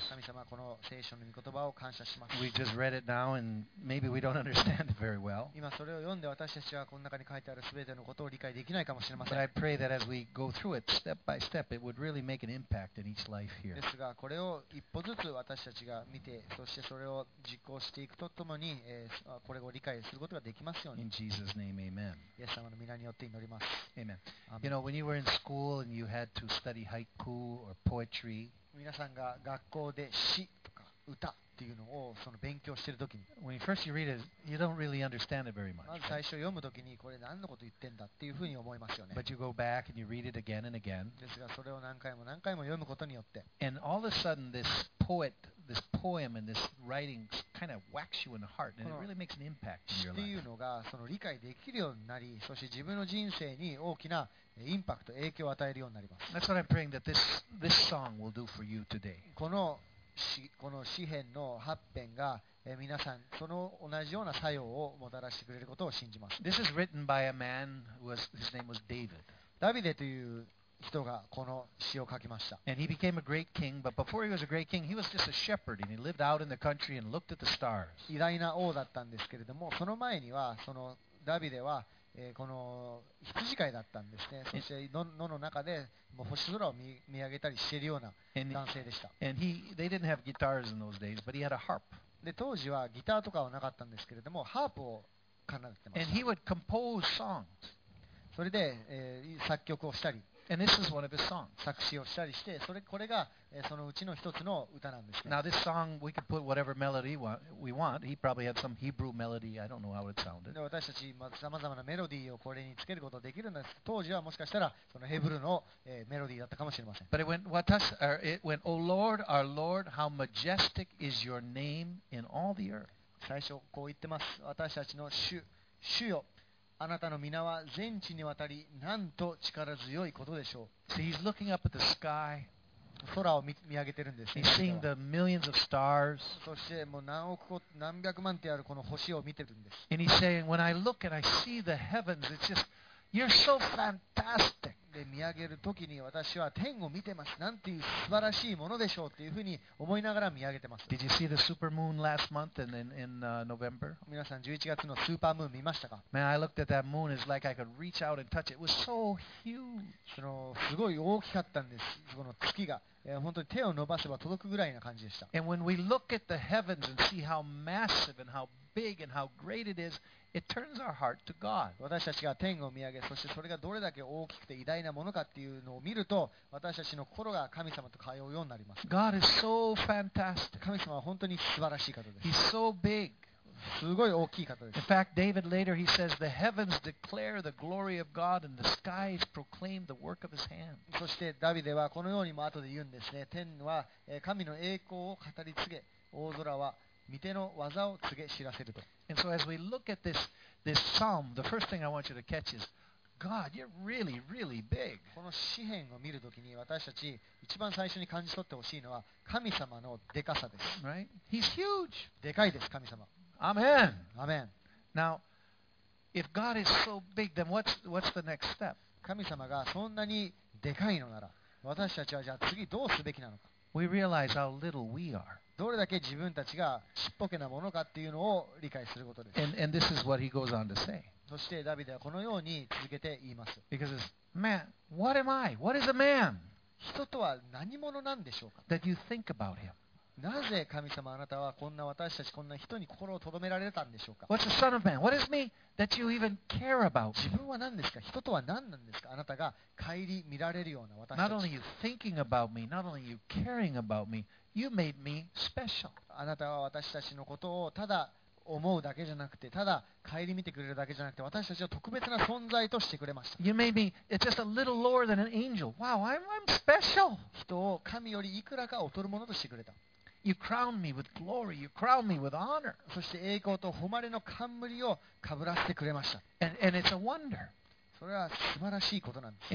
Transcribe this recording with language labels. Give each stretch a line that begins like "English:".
Japanese: 神様、この聖書の御言葉を感謝します。
English: We just read it now, and maybe we don't understand it very well.
Japanese: 今それを読んで、私たちはこの中に書いてあるすべてのことを理解できないかもしれません。
English: But I pray that as we go through it, step by step, it would really make an impact in each life here.
Japanese: ですが、これを一歩ずつ私たちが見て、そしてそれを実行していくとともに、これを理解することができますように。
English: In Jesus' name, Amen.
Japanese: イエス様の皆によって祈ります。
English: Amen. You know, when you were in school and you had to study haiku or poetry.
Japanese: 皆さんが学校で詩とか歌っていうのをその勉強しているときに、
English: When you first read it, you don't really understand it very much.
Japanese: まず最初読むときにこれ何のこと言ってんだっていうふうに思いますよね。
English: But you go back and you read it again and again.
Japanese: ですがそれを何回も何回も読むことによって、
English: And all of a sudden this poet, this poem and this writing kind of whacks you in the heart and it really makes an impact in your life.
Japanese: っていうのがその理解できるようになり、そして自分の人生に大きなインパクト、影響を与えるようになります。
English: That's what I'm praying that this song will do for you today.
Japanese: この詩編の8編が皆さんその同じような作用をもたらしてくれることを信じます。
English: This is written by a man who was his name was David.
Japanese: ダビデという人がこの詩を書きました。
English: And he became a great king, but before he was a great king, he was just a shepherd and he lived out in the country and looked at the stars.
Japanese: 偉大な王だったんですけれども、その前にはそのダビデはこの羊飼いだったんですね。そして野の中でもう星空を見上げたりしているような男性でした。
English: They didn't have guitars in those days, but he had a harp.
Japanese: で当時はギターとかはなかったんですけれども、ハープを奏でてました。
English: And he would compose songs.
Japanese: それで、作曲をしたり、
English: And this is one of his songs.
Japanese: 作詞をしたりして、これが、そのうちの一つの歌なんですね。
English: Now this song, we could put whatever melody we want. He probably had some Hebrew melody. I don't know how it sounded.
Japanese: で私たち、さまざまなメロディーをこれにつけることができるんです。当時はもしかしたら、そのヘブルの、メロディーだったかもしれません。
English: But it went, O Lord, our Lord, how majestic is your name in all the earth.
Japanese: 最初こう言ってます。私たちの主よ。あなたの皆は全地にわたり、なんと力強いことでしょう。
English: See, he's looking up at the sky.
Japanese: 空を見上げてるんです。
English: He's seeing the millions of stars.
Japanese: そしてもう何百万ってあるこの星を見てるんです。
English: And he's saying, when I look and I see the heavens, it's just, you're so fantastic.
Japanese: で見上げるときに私は天を見てます。なんていう素晴らしいものでしょうっていうふうに思いながら見上げてます。
English: Did you see the super moon last month and then in November?
Japanese: 皆さん11月のスーパームーン見ましたか
English: ？Man, I looked at that moon. It's like I could reach out and touch it. It was so huge.
Japanese: そのすごい大きかったんです。この月が本当に手を伸ばせば届くぐらいな感じでした。
English: And when we look at the heavens and see how massive and how big and how great it is, it turns our heart to God.
Japanese: 私たちが天を見上げ、そしてそれがどれだけ大きくて偉大なものかっていうのを見ると私たちの心が神様と通うようになります。
English: God is so fantastic.
Japanese: 神様は本当に素晴らしい方です。
English: He's so big.
Japanese: すごい大きい方です。
English: In fact, David later he says, The heavens declare the glory of God and the skies proclaim the work of his hand.
Japanese: そしてダビデはこのようにも後で言うんですね。天は神の栄光を語り継げ、大空は御手の技を告げ知らせると。
English: And so as we look at this, this psalm, the first thing I want you to catch isGod, you're really, really big.
Japanese: この詩編を見るときに私たち一番最初に感じ取ってほしいのは神様のでかさです。
English: Right? He's huge.
Japanese: でかいです、神様。
English: Amen. Amen. Now, if God is so big, then what's the next step?
Japanese: 神様がそんなにでかいのなら、私たちはじゃあ次どうすべきなのか。
English: We realize how little we are.
Japanese: どれだけ自分たちがちっぽけなものかっていうのを理解することです。
English: And this is what he goes on to say.
Japanese: そしてダビデはこのように続けて言います。
English: Because it's man, what am I? What is a man?
Japanese: 人とは何者なんでしょうか?
English: That you think about him.
Japanese: なぜ神様あなたはこんな私たちこんな人に心を留められたんでしょうか?
English: What's a son of man? What is me that you even care about?
Japanese: 自分は何ですか? 人とは何なんですか? あなたが顧みられるような私たち。
English: Not only you thinking about me, not only you caring about me, you made me special.
Japanese: あなたは私たちのことをただ思うだけじゃなくて、ただ顧みてくれるだけじゃなくて、私たちを特別な存在としてくれました。
English: You made me just a little lower than an angel. Wow, I'm special.
Japanese: 人を神よりいくらか劣るものとしてくれた。
English: You crowned me with glory. You crowned me with honor.
Japanese: そして栄光と誉れの冠をかぶらせてくれました。
English: And it's a wonder.
Japanese: それは素晴らしいことなんです。